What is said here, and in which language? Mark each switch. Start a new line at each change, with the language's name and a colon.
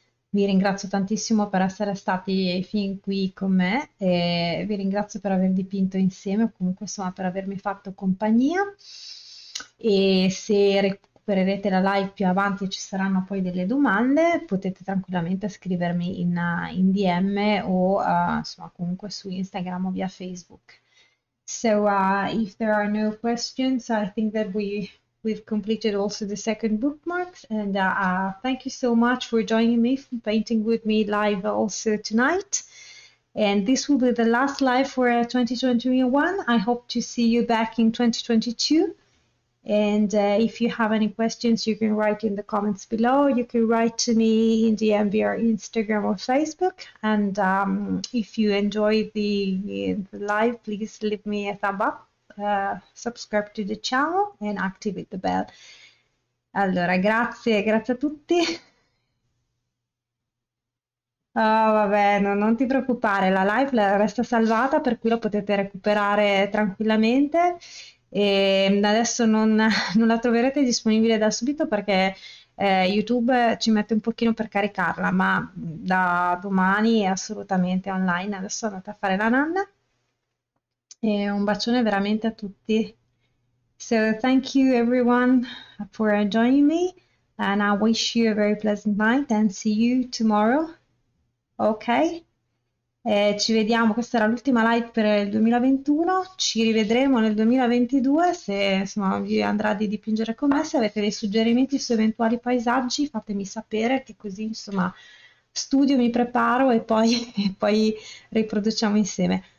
Italian: Vi ringrazio tantissimo per essere stati fin qui con me e vi ringrazio per aver dipinto insieme, o comunque insomma per avermi fatto compagnia. E se recupererete la live più avanti e ci saranno poi delle domande, potete tranquillamente scrivermi in DM o insomma comunque su Instagram o via Facebook.
English: So, if there are no questions, I think that we've completed also the second bookmark. And thank you so much for joining me for painting with me live also tonight. And this will be the last live for 2021. I hope to see you back in 2022. And if you have any questions, you can write in the comments below. You can write to me in DM via Instagram or Facebook. And if you enjoy the live, please leave me a thumb up, subscribe to the channel and activate the bell.
Italian: Allora, grazie, grazie a tutti. Oh, vabbè, no, non ti preoccupare, la live resta salvata, per cui la potete recuperare tranquillamente. E adesso non la troverete disponibile da subito perché YouTube ci mette un pochino per caricarla, ma da domani è assolutamente online. Adesso andate a fare la nanna. E un bacione veramente a tutti.
English: So, thank you everyone for joining me and I wish you a very pleasant night and see you tomorrow. Ok?
Italian: Ci vediamo, questa era l'ultima live per il 2021, ci rivedremo nel 2022 se insomma vi andrà di dipingere con me, se avete dei suggerimenti su eventuali paesaggi fatemi sapere che così insomma studio, mi preparo e poi riproduciamo insieme.